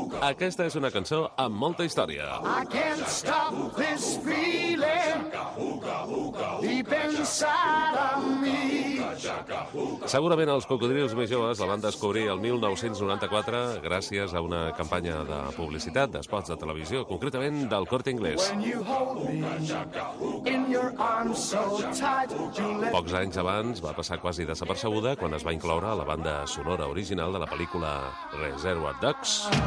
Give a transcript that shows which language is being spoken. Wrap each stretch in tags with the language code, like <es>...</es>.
<ca>Aquesta és una cançó amb molta història.</ca> <en>I can't stop this feeling deep inside of me.</en> <ca>Segurament els cocodrils més joves la van descobrir el 1994 gràcies a una campanya de publicitat d'esports de televisió, concretament del Corte Inglés. Pocs anys abans va passar quasi desapercebuda quan es va incloure la banda sonora original de la pel·lícula Reservoir Dogs.</ca>